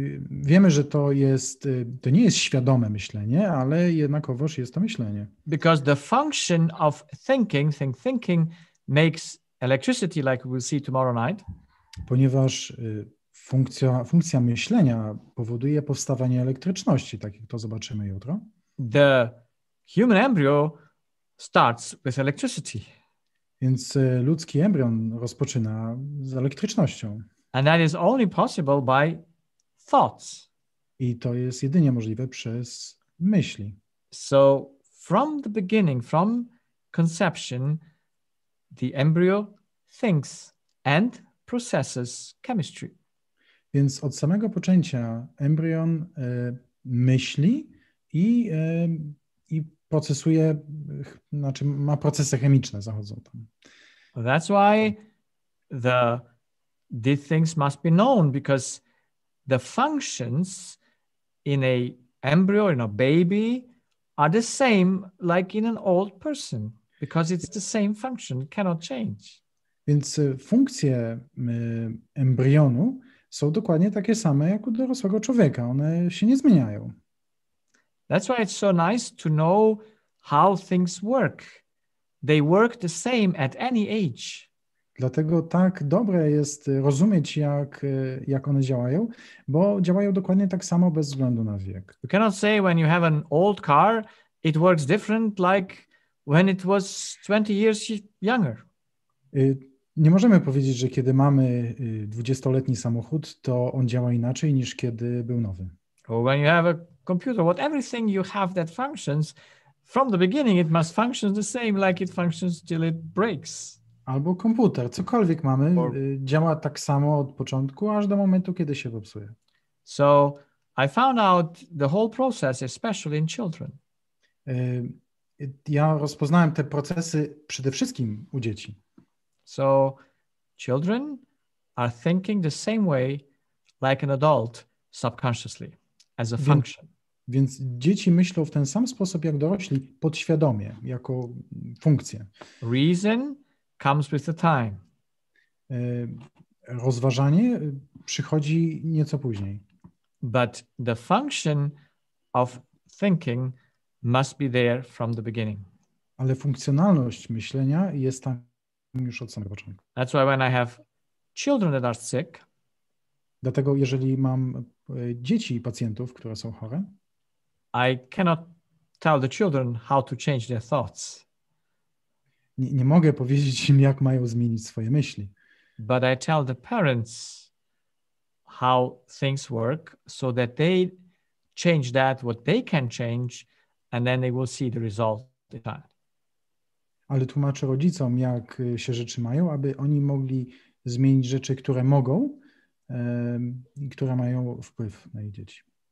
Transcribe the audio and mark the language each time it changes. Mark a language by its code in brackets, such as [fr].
[pl] Wiemy, że to nie jest świadome myślenie, ale jednakowoż jest to myślenie. [en] Because the function of thinking makes electricity, like we'll see tomorrow night. [pl] Ponieważ funkcja myślenia powoduje powstawanie elektryczności, tak jak to zobaczymy jutro. [en] The human embryo starts with electricity. [pl] Więc ludzki embrion rozpoczyna z elektrycznością. [en] And that is only possible by thoughts. [pl] I to jest jedynie możliwe przez myśli. [en] So from the beginning, from conception, the embryo thinks and processes chemistry. [pl] Więc od samego poczęcia embrion myśli i procesuje, znaczy ma procesy chemiczne zachodzą tam. [en] That's why these things must be known, because the functions in a embryo, in a baby, are the same like in an old person, because it's the same function, cannot change. [pl] Więc funkcje embrionu są dokładnie takie same jak u dorosłego człowieka. One się nie zmieniają. [en] That's why it's so nice to know how things work. They work the same at any age. [pl] Dlatego tak dobre jest rozumieć, jak one działają, bo działają dokładnie tak samo bez względu na wiek. [en] You cannot say when you have an old car, it works different like when it was 20 years younger. [pl] Nie możemy powiedzieć, że kiedy mamy 20-letni samochód, to on działa inaczej niż kiedy był nowy. [en] Or when you have a computer, everything you have that functions, from the beginning it must function the same like it functions till it breaks. [pl] Albo komputer, cokolwiek mamy, działa tak samo od początku aż do momentu, kiedy się popsuje. [en] So I found out the whole process, especially in children. [pl] Ja rozpoznałem te procesy przede wszystkim u dzieci. [en] So children are thinking the same way like an adult subconsciously as a function. [pl] Więc dzieci myślą w ten sam sposób jak dorośli, podświadomie, jako funkcję. [en] Reason comes with the time. [pl] Rozważanie przychodzi nieco później. [en] But the function of thinking must be there from the beginning. [pl] Ale funkcjonalność myślenia jest tam już od samego początku. [en] That's why when I have children that are sick, [pl] dlatego jeżeli mam dzieci i pacjentów, które są chore, [en] I cannot tell the children how to change their thoughts. [pl] Nie mogę powiedzieć im, jak mają zmienić swoje myśli. [en] But I tell the parents how things work so that they change that, what they can change, and then they will see the result. [pl] Ale tłumaczę rodzicom, jak się rzeczy mają, aby oni mogli zmienić rzeczy, które mogą i które mają wpływ na ich dzieci.